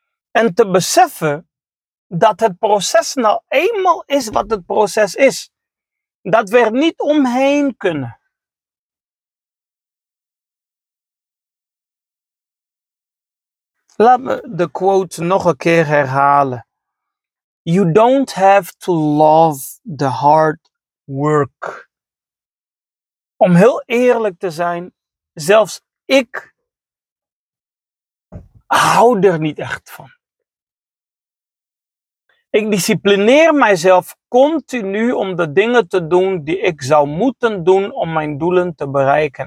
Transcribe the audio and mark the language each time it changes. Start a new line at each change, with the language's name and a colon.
Dutch: En te beseffen dat het proces nou eenmaal is wat het proces is. Dat we er niet omheen kunnen. Laat me de quote nog een keer herhalen.
English: You don't have to love the hard work.
Dutch: Om heel eerlijk te zijn, zelfs ik hou er niet echt van. Ik disciplineer mijzelf continu om de dingen te doen die ik zou moeten doen om mijn doelen te bereiken.